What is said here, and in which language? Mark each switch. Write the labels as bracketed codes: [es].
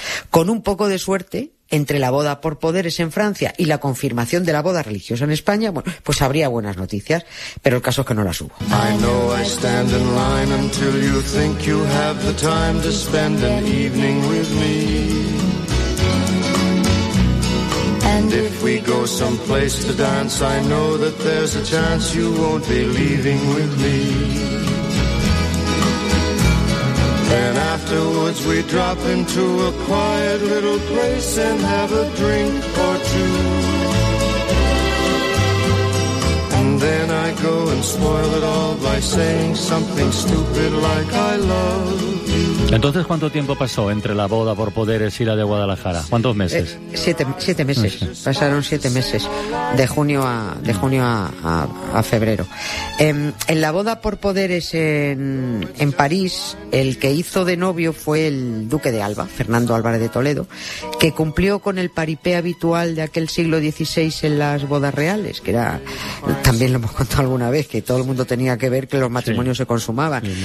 [es] Con un poco de suerte, entre la boda por poderes en Francia y la confirmación de la boda religiosa en España, bueno, pues habría buenas noticias, pero el caso es que no las hubo. [en] I know I stand in line until you think you have the time to spend an evening with me. And if we go someplace to dance, I know that there's a chance you won't be leaving with me. Then afterwards we drop into a quiet little place and have a drink or two. And then I go and spoil it all by saying something stupid like I love you. [es] Entonces, ¿cuánto tiempo pasó entre la boda por poderes y la de Guadalajara? ¿Cuántos meses? Siete meses. Sí. Pasaron siete meses, de junio a febrero. En la boda por poderes en París, el que hizo de novio fue el duque de Alba, Fernando Álvarez de Toledo, que cumplió con el paripé habitual de aquel siglo XVI en las bodas reales, que era, también lo hemos contado alguna vez, que todo el mundo tenía que ver que los matrimonios se consumaban.